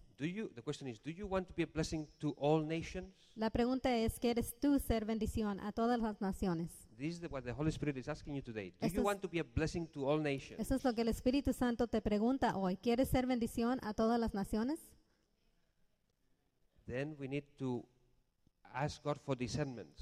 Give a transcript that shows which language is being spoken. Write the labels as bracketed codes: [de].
[en] The question is, do you want to be a blessing to all nations? [es] La pregunta es, ¿quieres tú ser bendición a todas las naciones? [en] This is what the Holy Spirit is asking you today. Do you want to be a blessing to all nations? [es] Eso es lo que el Espíritu Santo te pregunta hoy. ¿Quieres ser bendición a todas las naciones? [en] Then we need to ask God for discernment.